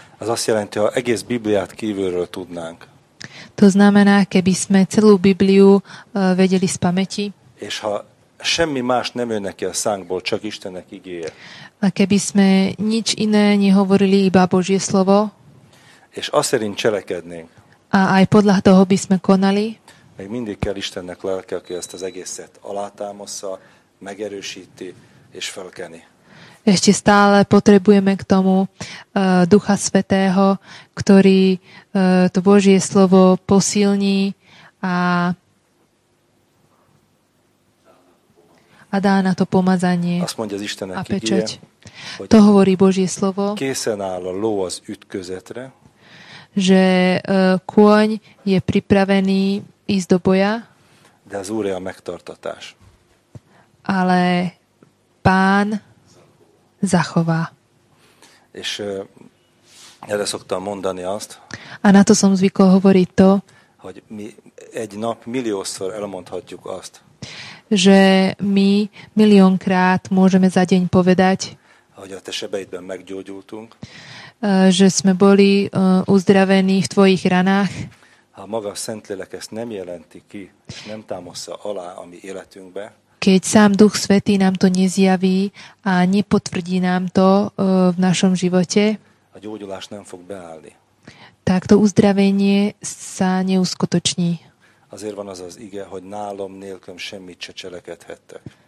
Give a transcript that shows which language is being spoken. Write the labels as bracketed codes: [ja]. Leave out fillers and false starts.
[hu] Az azt jelenti, ha egész Bibliát kívülről tudnánk. [sk] To znamená, keby sme celú Bibliu vedeli z pamäti. [hu] És ha semmi más nem jön neki a szánkból, csak Istennek igéje. [sk] A keby sme nič iné nehovorili, iba Božie slovo. [hu] És azt szerint cselekednénk. [sk] A aj podľa toho by sme konali. [hu] Meg mindig kell Istennek lelke, aki ezt az egészet alátámasza, megerősíti és felkeni. [sk] Ešte stále potrebujeme k tomu Ducha Svätého, ktorý to Božie slovo posilní a dá na to pomazanie. [hu] Azt mondja az Istennek a pečať. [sk] To hovorí Božie slovo. [hu] Készen áll a ló az ütközetre. [sk] Že kôň je pripravený ísť do boja. [hu] De az Úr a megtartatás. [sk] Ale Pán zachová. [hu] És erre szoktam mondani azt. [sk] A na to som zvykol hovoriť to. [hu] Hogy mi egy nap milliószor elmondhatjuk azt. [sk] Že my milliónkrát môžeme za deň povedať. [hu] Hogy a te sebeidben meggyógyultunk. [sk] Že sme boli uzdravení v tvojich ranách. [hu] Ha maga Szentlélek ezt nem jelenti ki, és nem támaszza alá a mi életünkbe. [sk] Keď sám Duch Svätý nám to nezjaví a nepotvrdí nám to v našom živote, [hu] a gyógyulás nem fog beállni. [sk] Tak to uzdravenie sa neuskutoční. [hu] Azért van az az ige, hogy nálom nélkül semmit se cselekedhettek.